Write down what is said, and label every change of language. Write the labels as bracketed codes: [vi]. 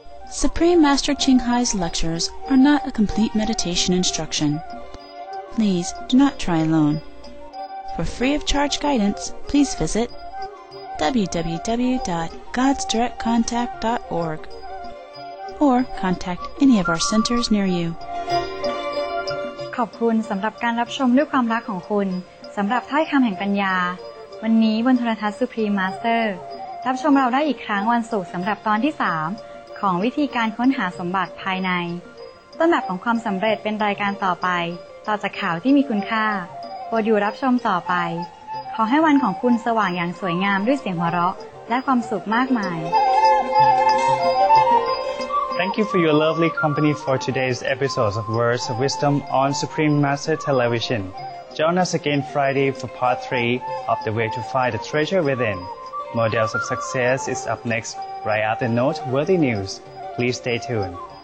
[en] Supreme Master Qinghai's lectures are not a complete meditation instruction. Please do not try alone. For free of charge guidance, please visit www.godsdirectcontact.org or contact any of our centers near you. [th] ขอบคุณสำหรับการรับชมด้วยความรักของคุณสำหรับถ้อยคำแห่งปัญญาวันนี้บนโทรทัศน์ Supreme Master รับชมเราได้อีกครั้งวันศุกร์สำหรับตอนที่3ของวิธีการค้นหาสมบัติภายในต้นแบบของความสำเร็จเป็นรายการต่อไปต่อจากข่าวที่มีคุณค่าโปรดอยู่รับชมต่อไปขอให้วันของคุณสว่างอย่างสวยงามด้วยเสียงหัวเราะและความสุขมากมาย [en] Thank you for your lovely company for today's episode of Words of Wisdom on Supreme Master Television Join us again Friday for part 3 of The Way to Find the Treasure Within Models of Success is up nextRight after noteworthy news, please stay tuned.